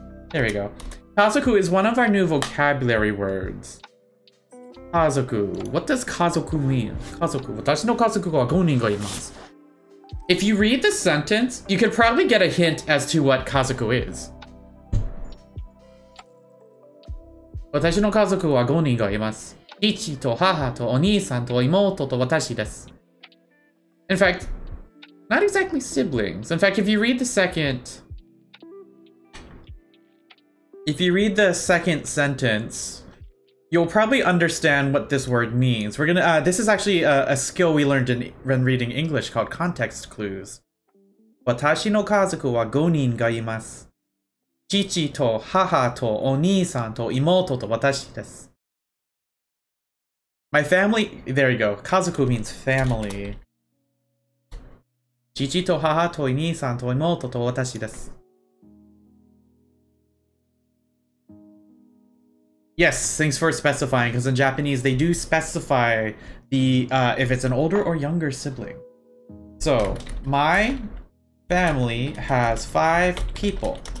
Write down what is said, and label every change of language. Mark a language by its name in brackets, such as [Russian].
[English] There we go. Kazoku is one of our new vocabulary words. Kazoku. What does kazoku mean? Kazoku. [Japanese] 私の家族は5人がいます. [English] If you read the sentence, you could probably get a hint as to what kazoku is. [Japanese] 私の家族は5人がいます。父と母とお兄さんと妹と私です。 [English] In fact, not exactly siblings. In fact, if you read the second sentence, you'll probably understand what this word means. We're gonna, this is actually a skill we learned when reading English called context clues. [Japanese] 私の家族は5人がいます。父と母とお兄さんと妹と私です。 [English] My family, there you go. Kazoku means family. [Japanese] 父と母と兄さんと妹と私です。 [English] Yes, thanks for specifying, because in Japanese, they do specify the if it's an older or younger sibling. So, my family has 5 people.